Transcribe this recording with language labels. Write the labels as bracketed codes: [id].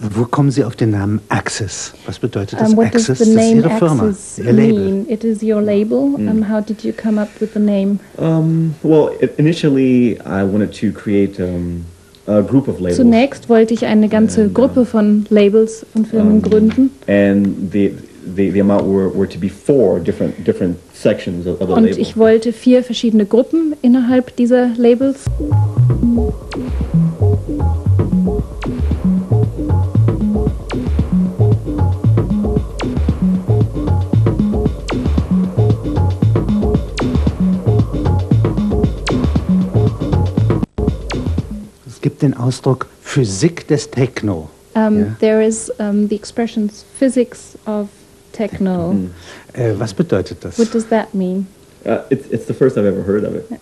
[de] Kommen Sie auf den Namen Axis. Was bedeutet das Axis? Das ist Ihre Axis Firma, Ihr Label. [en] Mean? It is your label. How did you come up with the name? Initially I wanted to create a group of labels. [de] Zunächst wollte ich eine ganze Gruppe von Labels und Firmen gründen. [en] And the amount were to be four different sections of the label. [de] Und ich wollte vier verschiedene Gruppen innerhalb dieser Labels. Den Ausdruck Physik des Techno. [en] There is the expression physics of techno. [de] Was bedeutet das? [en] What does that mean? It's the first I've ever heard of it.